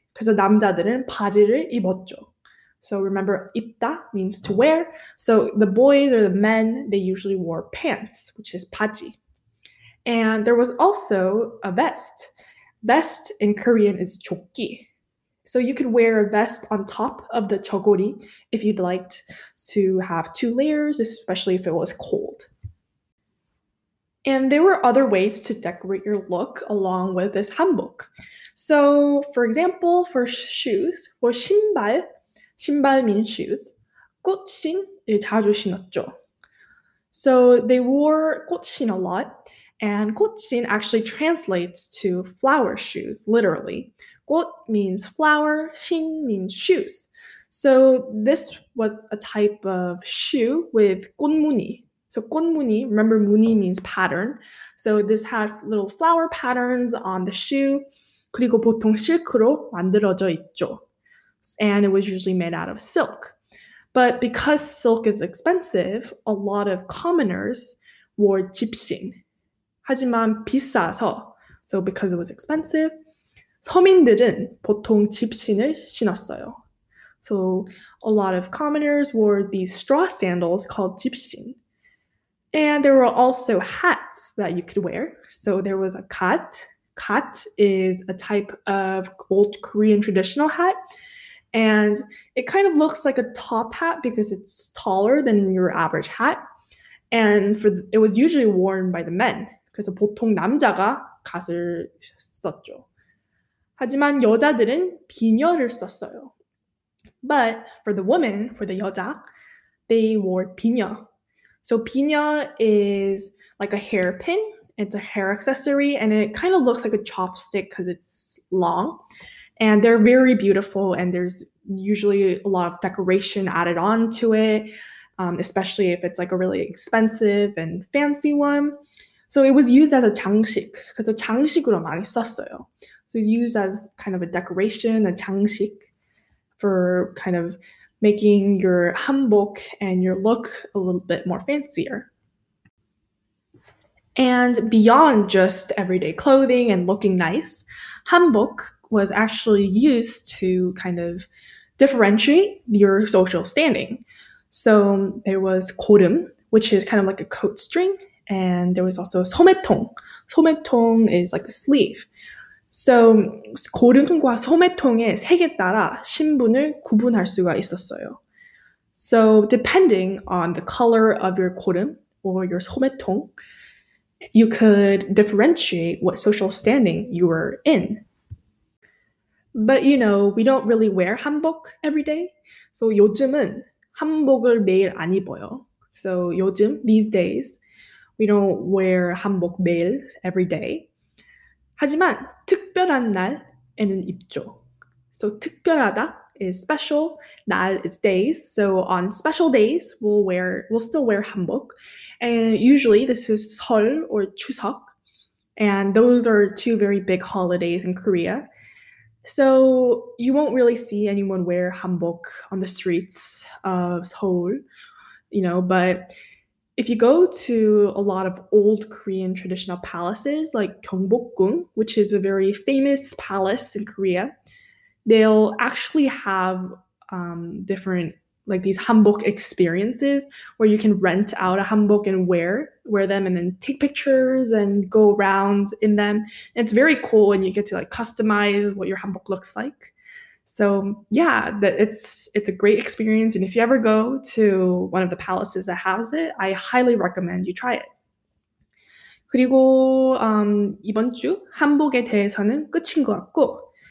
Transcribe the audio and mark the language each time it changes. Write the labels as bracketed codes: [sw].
[ko] 그래서 남자들은 바지를 입었죠. [en] So remember, 입다 means to wear. So the boys or the men, they usually wore pants, which is 바지. And there was also a vest. Vest in Korean is 조끼. So you could wear a vest on top of the 저고리 if you'd like to have two layers, especially if it was cold. And there were other ways to decorate your look along with this hanbok. So for example, for shoes, 신발, 신발 means shoes. [ko] 꽃신을 자주 신었죠. [en] So they wore 꽃신 a lot. And 꽃신 actually translates to flower shoes, literally. 꽃 means flower, 신 means shoes. So this was a type of shoe with 꽃무늬. So 꽃무늬, remember 무늬 means pattern. So this had little flower patterns on the shoe. [ko] 그리고 보통 실크로 만들어져 있죠. [en] And it was usually made out of silk. But because silk is expensive, a lot of commoners wore 집신. [ko] 하지만 비싸서, [en] so because it was expensive, [ko] 서민들은 보통 집신을 신었어요. [en] So a lot of commoners wore these straw sandals called 집신. And there were also hats that you could wear. So there was a gat. Gat is a type of old Korean traditional hat. And it kind of looks like a top hat because it's taller than your average hat. And it was usually worn by the men. [ko] 그래서 보통 남자가 갓을 썼죠. 하지만 여자들은 비녀를 썼어요. [en] But for the woman, for the 여자, they wore 비녀. So 비녀 is like a hairpin. It's a hair accessory, and it kind of looks like a chopstick because it's long. And they're very beautiful, and there's usually a lot of decoration added on to it, especially if it's like a really expensive and fancy one. So it was used as a 장식, because [ko] 장식으로 많이 썼어요. [en] So used as kind of a decoration, a 장식, for kind of making your hanbok and your look a little bit more fancier. And beyond just everyday clothing and looking nice, hanbok was actually used to kind of differentiate your social standing. So there was 고름, which is kind of like a coat string, and there was also 소매통. 소매통 is like a sleeve. [ko] So 고름과 소매통의 색에 따라 신분을 구분할 수가 있었어요. [en] So depending on the color of your 고름 or your 소매통, you could differentiate what social standing you were in. But you know, we don't really wear hanbok every day. [ko] So 요즘은 한복을 매일 안 입어요. [en] So 요즘, these days, we don't wear 한복 매일, every day. [ko] 하지만 특별한 날에는 입죠. [en] So 특별하다 is special, 날 is days. So on special days, we'll still wear 한복. And usually this is 설 or 추석. And those are two very big holidays in Korea. So you won't really see anyone wear hanbok on the streets of Seoul, you know, but if you go to a lot of old Korean traditional palaces like Gyeongbokgung, which is a very famous palace in Korea, they'll actually have different, like these hanbok experiences where you can rent out a hanbok and wear them and then take pictures and go around in them. And it's very cool and you get to like customize what your hanbok looks like. So yeah, that it's a great experience. And if you ever go to one of the palaces that has it, I highly recommend you try it. [ko] 그리고 이번 주 한복에 대해서는 끝인 것 같고.